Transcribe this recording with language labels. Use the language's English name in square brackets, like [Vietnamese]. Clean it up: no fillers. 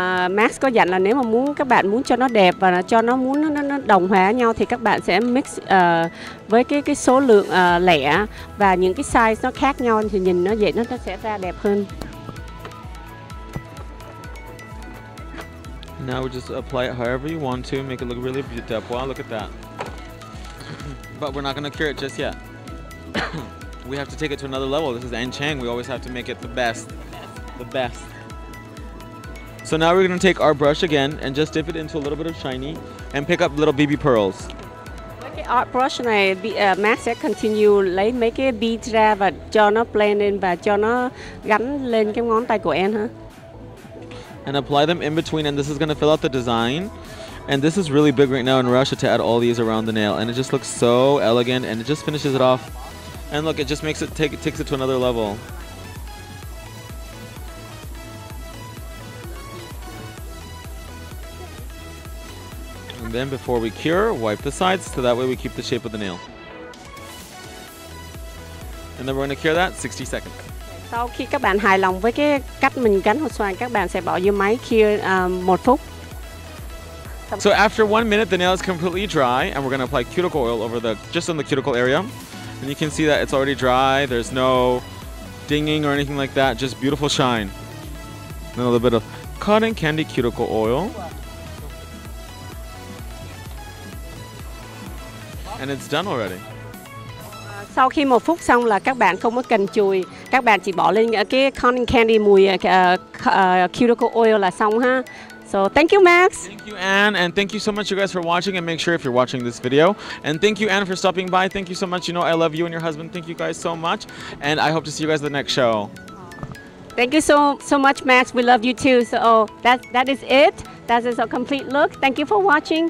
[Vietnamese] Max có dặn là nếu mà muốn các bạn muốn cho nó đẹp và cho nó muốn nó đồng hóa nhau thì các bạn sẽ mix với cái số lượng lẻ và những cái size nó khác nhau thì nhìn nó dễ, nó sẽ ra đẹp hơn. [English] Now we just apply it however you want to make it look really beautiful. Look at that. but we're not going to cure it just yet. We have to take it to another level. This is Anh Chang. We always have to make it the best. The best. So now we're going to take our brush again and just dip it into a little bit of shiny and pick up little BB pearls. [Vietnamese] Cái art brush này, Max sẽ continue lấy mấy cái bead ra và cho nó blend in và cho nó gắn lên cái ngón tay của em ha. [English] And apply them in between, and this is going to fill out the design. And this is really big right now in Russia to add all these around the nail, and it just looks so elegant, and it just finishes it off. And look, it just makes it take, it takes it to another level. And then before we cure, wipe the sides, so that way we keep the shape of the nail. And then we're gonna cure that 60 seconds. [Vietnamese] Sau khi các bạn hài lòng với cái cách mình gắn hột xoan, các bạn sẽ bỏ vô máy cure 1 phút. [English] So after 1 minute, the nail is completely dry, and we're gonna apply cuticle oil over the, just on the cuticle area. And you can see that it's already dry, there's no dinging or anything like that, just beautiful shine. And a little bit of cotton candy cuticle oil. And it's done already. [Vietnamese] Sau khi 1 phút xong là các bạn không có cần chùi, các bạn chỉ bỏ lên cái cotton candy mùi cuticle oil là xong ha. [English] So thank you, Max. Thank you, Anne. And thank you so much, you guys, for watching. And make sure if you're watching this video. And thank you, Anne, for stopping by. Thank you so much. You know I love you and your husband. Thank you guys so much. And I hope to see you guys at the next show. Thank you so much, Max. We love you too. So that is it. That is a complete look. Thank you for watching.